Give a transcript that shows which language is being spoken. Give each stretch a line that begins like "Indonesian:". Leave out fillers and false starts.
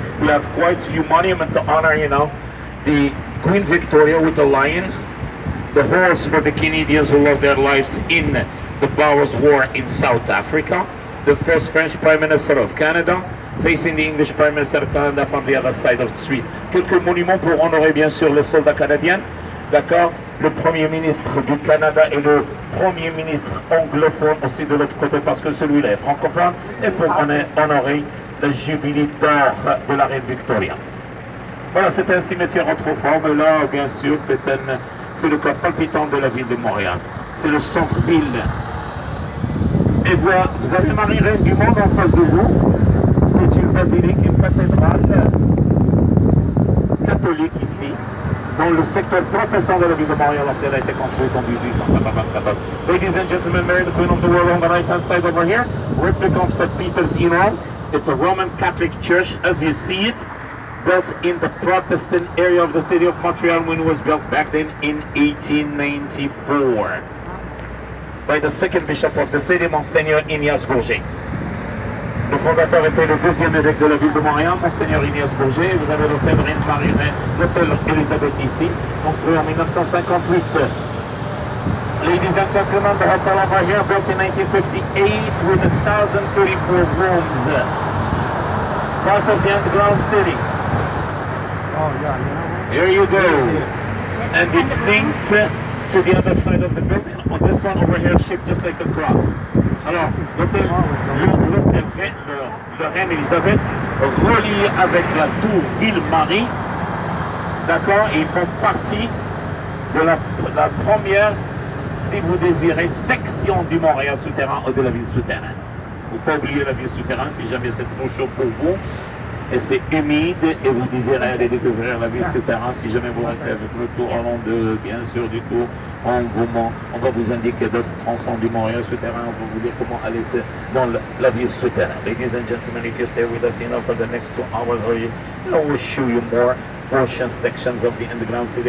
English: We have quite a few monuments to honor, you know, the Queen Victoria with the lion, the horse for the Canadians who lost their lives in the Boers War in South Africa, the first French Prime Minister of Canada, facing the English Prime Minister of Canada from the other side of the street.
French: Quelques monuments pour honorer bien sûr les soldats canadiens, d'accord, le Premier ministre du Canada et le Premier ministre anglophone aussi de l'autre côté parce que celui-là est francophone, et pour honorer le jubilé d'or de la Reine Victoria. Voilà, c'est un cimetière autrefois, mais là, bien sûr, c'est le cœur palpitant de la ville de Montréal. C'est le centre-ville. Et voilà, vous avez Marie-Reine du Monde en face de vous. C'est une basilique, une cathédrale catholique ici, dans le secteur protestant de la ville de Montréal, lorsqu'elle a été construite en 1894.
English: Ladies and gentlemen, Mary, the Queen of the World, on the right-hand side over here, replica of St. Peter's in Rome. It's a Roman Catholic Church, as you see it. Built in the Protestant area of the city of Montreal when it was built back then in 1894 by the second bishop of the city, Monseigneur Ignace Bourget.
French: Le fondateur était le deuxième évêque de la ville de Montréal, Monseigneur Ignace Bourget. Vous avez l'hôtel Reine Marie-Reine, l'hôtel Elisabeth ici, construit en 1958.
English: Ladies and gentlemen, the hotel over here, built in 1958 with 1,034 rooms. Part of the underground city. Oh, yeah, you know. Here you go. And be linked to the other side of the building. On this one over here, shaped just like a cross.
French: Alors, le Reine Elisabeth, relié avec la tour Ville-Marie. D'accord? Ils font partie de la première, si vous désirez, section du Montréal souterrain ou de la ville souterraine. Faut pas oublier la ville souterraine si jamais c'est trop chaud pour vous. Et c'est humide, et vous désirez aller découvrir la ville souterraine. Si jamais vous restez avec le tour en long de, bien sûr, du tour, on va vous indiquer d'autres tronçons du Montréal souterrain. On va vous dire comment aller dans la ville souterraine.
English: Ladies and gentlemen, if you stay with us enough for the next 2 hours, I will show you more portion sections of the underground city.